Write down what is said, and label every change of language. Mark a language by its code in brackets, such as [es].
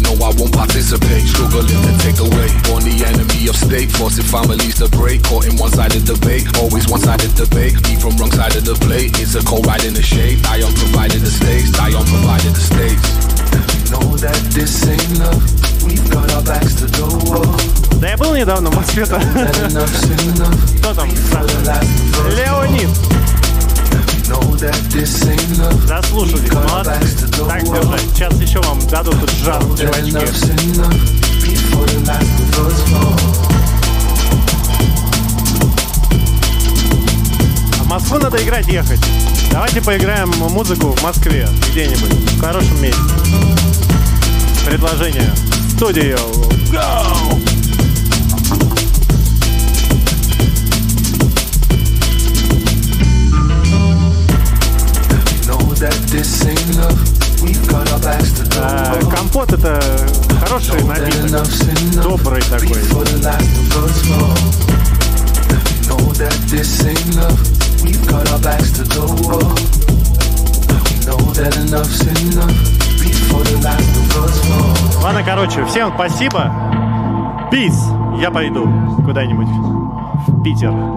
[en] No, I won't participate. Struggling to take away. Born the enemy of state. Forcing families to break. Caught in one-sided debate. Always one-sided debate. Me from wrong side of the plate. It's a cold ride in the shade. I am providing the stakes. I am providing the stakes. And we know that this ain't love. [ru] Да я был недавно в Москве. Кто там? Леонид. Заслушали, молодцы. Так, держи, сейчас еще вам дадут жару, чувачки. А в Москву надо играть, ехать. Давайте поиграем музыку в Москве где-нибудь, в хорошем месте. Предложение. [en] Studio, go! Know that this ain't love. We've got our backs to the wall. [ru] Компот — это хороший напиток, добрый такой. [en] Know that this ain't love. We've got our backs to the wall. Know that enough's enough. [ru] Ладно, короче, всем спасибо. [en] Peace. [ru] Я пойду куда-нибудь в Питер.